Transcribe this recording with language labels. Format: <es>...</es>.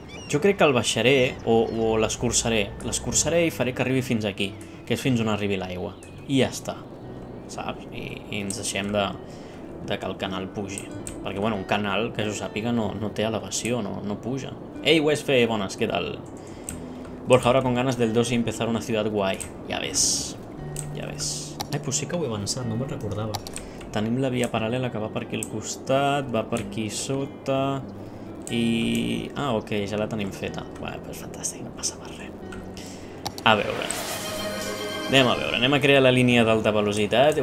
<ca>Jo crec que el baixaré o l'escurçaré. L'escurçaré i faré que arribi fins aquí, que és fins on arribi l'aigua. I ja està, saps? I ens deixem de que el canal pugi. Perquè, bueno, un canal, que jo sàpiga, no té elevació, no puja. Ei, Westfe, bones, què tal?</ca> <es>Borja, ahora con ganas del 2 y empezar una ciudad guay.</es> <ca>Ja ves. Ai, pues sí que ho he avançat, no me'n recordava. Tenim la via paral·lela que va per aquí al costat, va per aquí sota, i ah, ok, ja la tenim feta. Bé, pues fantàstic, no passava res. A veure. Anem a crear la línia d'alta velocitat.</ca>